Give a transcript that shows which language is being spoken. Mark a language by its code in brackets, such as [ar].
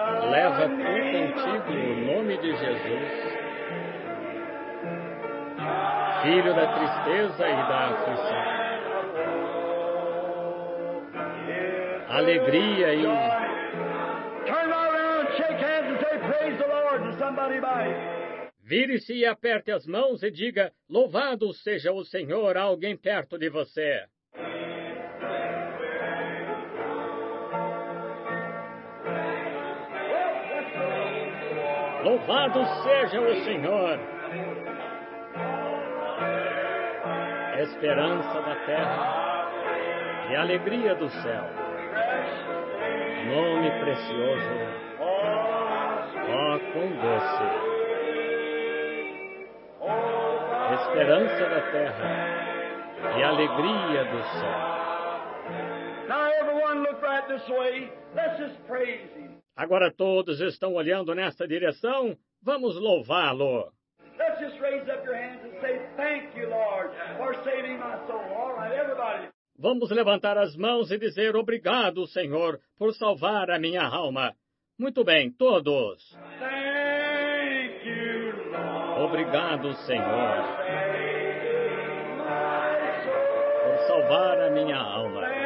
[pt] Leva tu contigo o nome de Jesus, filho da tristeza e da aflição, alegria e... [en] Turn around, shake hands and say praise the Lord to somebody by. [pt] Vire-se e aperte as mãos e diga, louvado seja o Senhor a alguém perto de você. Louvado seja o Senhor, esperança da terra e alegria do céu, nome precioso, ó com doce, esperança da terra e alegria do céu. [en] Now everyone look right this way, let's just praise him. [pt] Agora todos estão olhando nesta direção, vamos louvá-lo. [en] Let's just raise up your hands and say thank you, Lord, for saving my soul. All right, everybody. [pt] Vamos levantar as mãos e dizer obrigado, Senhor, por salvar a minha alma. Muito bem, todos. [en] Thank you, Lord. [pt] Obrigado, Senhor, por salvar a minha alma.